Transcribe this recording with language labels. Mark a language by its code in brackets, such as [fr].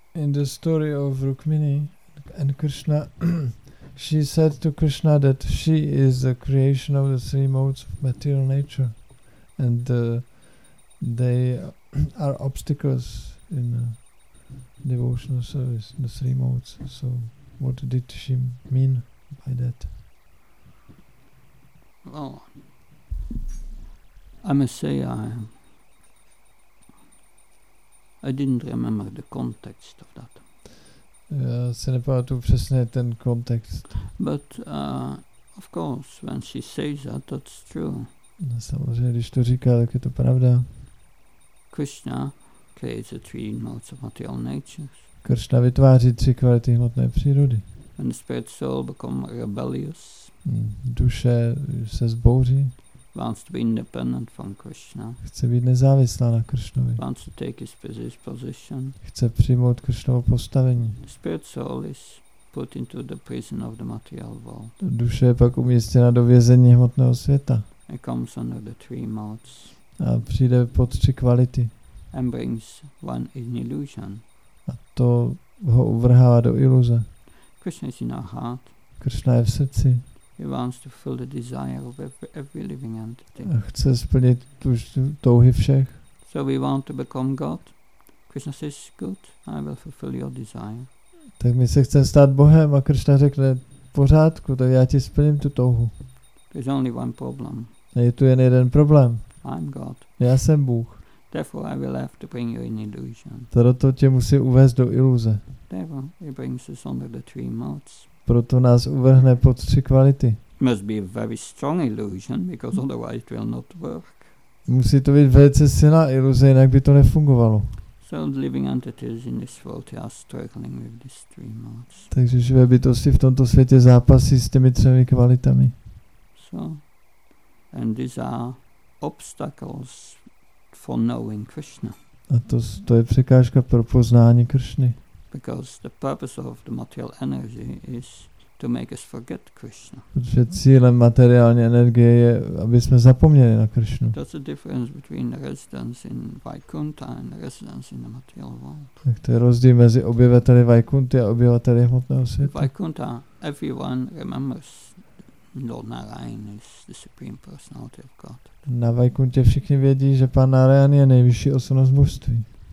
[en] In the story of Rukmini and Krishna, she said to Krishna that she is a creation of the three modes of material nature, and they are obstacles in devotional service, the three modes. So what did she mean by that? Well, I must say I didn't remember the context of that. [cs] Já se nepamatuju přesně ten kontext. [en] But of course, when she says that, that's true. [cs] No, samozřejmě, když to říká, tak je to pravda. [en] Krishna creates the three modes of material natures. [cs] Krishna vytváří tři kvality hmotné přírody. [en] When the spirit soul become rebellious. [cs] Duše se zbouří. [en] Wants to be independent from Krishna. [cs] Chce být nezávislá na Kršnovi. [en] Wants to take his position. [cs] Chce přijmout Kršnovo postavení. [en] Spirit soul is put into the prison of the material world. [cs] Duše je pak umístěna do vězení hmotného světa. [en] It comes under the three modes. [cs] A přijde pod tři kvality. [en] And brings one in illusion. [cs] A to ho uvrhává do iluze. [en] Krishna is in our heart. [cs] Kršna je v srdci. [en] He wants to fill the desire of every living entity. [cs] A chce splnit touhy všech. [en] So we want to become God. Krishna says, good, I will fulfill your desire. [cs] Tak my se chceme stát Bohem a Krishna řekne, pořádku, tak já ti splním tu touhu. [en] There's only one problem. [cs] A je tu jen jeden problém. [en] I'm God. [cs] Já jsem Bůh. [en] Therefore I will have to bring you in illusion. [cs] Proto tě musí uvést do iluze. [en] Therefore he brings us under the three modes. [cs] Proto nás uvrhne pod tři kvality. [en] Must be a very strong illusion, because otherwise it will not work. [cs] Musí to být velice silná iluze, jinak by to nefungovalo. [en] So living entities in this world are struggling with these three modes. [cs] Takže živé bytosti v tomto světě zápasí s těmi třemi kvalitami. [en] So, and these are obstacles for knowing Krishna. [cs] A to je překážka pro poznání Kršny. [en] Because the purpose of the material energy is to make us forget Krishna. [cs] Protože cílem materiální energie je, aby jsme zapomněli na Krishnu. [en] That's the difference between residence in Vaikuntha and residence in the material world. [cs] Tak to je rozdíl mezi obyvateli Vaikunty a obyvateli hmotného světa. [en] Vaikuntha, everyone remembers Lord Narayan is the supreme personality of God. [cs] Na Vaikuntě všichni vědí, že Pán Narayan je nejvyšší osobnost božství.